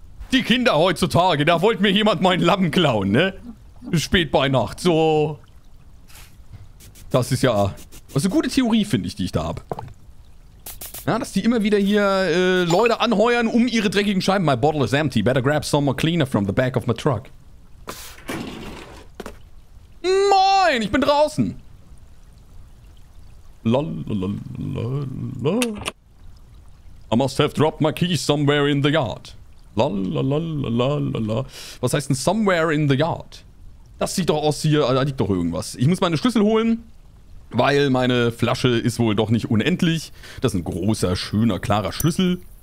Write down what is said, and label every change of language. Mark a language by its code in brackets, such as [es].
[de] Die Kinder heutzutage, da wollte mir jemand meinen Lappen klauen, ne? Spät bei Nacht, so. Das ist ja... Das ist eine gute Theorie, finde ich, die ich da habe. Ja, dass die immer wieder hier Leute anheuern, um ihre dreckigen Scheiben... [en] My bottle is empty. Better grab some more cleaner from the back of my truck. [de] Moin, ich bin draußen. [en] Lalalalala. I must have dropped my keys somewhere in the yard. Lalalalalala. [de] Was heißt denn [en] somewhere in the yard? [de] Das sieht doch aus hier, da liegt doch irgendwas. Ich muss meine Schlüssel holen, weil meine Flasche ist wohl doch nicht unendlich. Das ist ein großer, schöner, klarer Schlüssel.